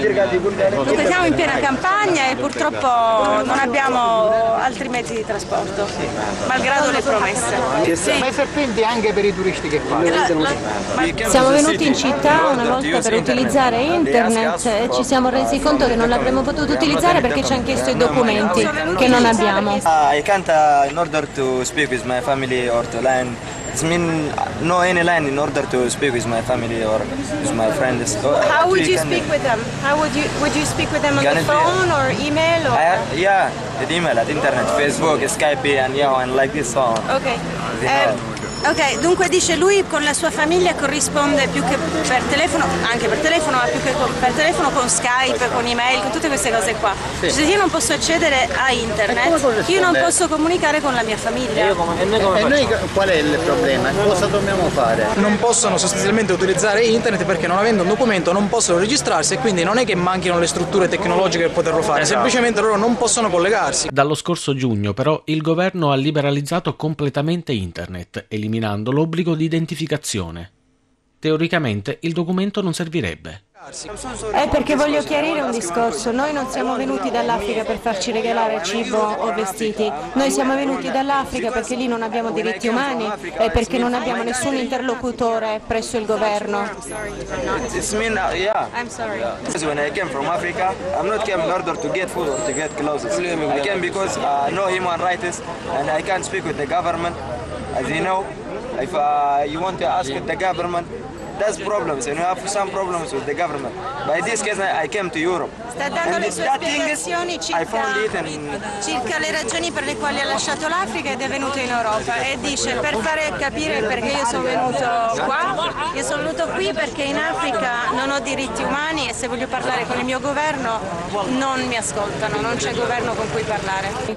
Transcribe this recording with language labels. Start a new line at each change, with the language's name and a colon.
Italian: Dunque siamo in piena campagna e purtroppo non abbiamo altri mezzi di trasporto, malgrado le promesse. Sì. Ma i serpenti anche per i turisti che fanno? Siamo venuti in città una volta per utilizzare internet e ci siamo resi conto che non l'avremmo potuto utilizzare perché ci hanno chiesto i documenti. Che non abbiamo.
English: I can't in order to speak with my family or to learn. It mean no any line in order to speak with my family or with my friends. How would you speak with them? Would you speak with them on the phone or email or? The email, at internet, Facebook, Skype and like this on. Okay.
Italian: Ok, dunque dice lui con la sua famiglia corrisponde più che per telefono, anche per telefono, ma più che per telefono con Skype, con email, con tutte queste cose qua. Sì. Cioè, se io non posso accedere a internet, io non posso comunicare con la mia famiglia. E noi qual è il problema? Cosa dobbiamo fare? Non possono sostanzialmente utilizzare internet perché non avendo un documento non possono registrarsi e quindi non è che manchino le strutture tecnologiche per poterlo fare, semplicemente loro non possono collegarsi. Dallo scorso giugno però il governo ha liberalizzato completamente internet e eliminando l'obbligo di identificazione. Teoricamente il documento non servirebbe. È perché voglio chiarire un discorso. Noi non siamo venuti dall'Africa per farci regalare cibo o vestiti. Noi siamo venuti dall'Africa perché lì non abbiamo diritti umani e perché non abbiamo nessun interlocutore presso il governo.
English: When I came from Africa, I'm not came in order to get food or to get clothes. I came because no human rights and I can't speak with the government. As you know, if you want to ask the government, there's problems, and you have some problems with the government. But in this case, I came to Europe.
Italian: Sta dando le sue spiegazioni circa le ragioni per le quali ha lasciato l'Africa ed è venuto in Europa. E dice, per fare capire perché io sono venuto qui perché in Africa non ho diritti umani e se voglio parlare con il mio governo non mi ascoltano, non c'è governo con cui parlare.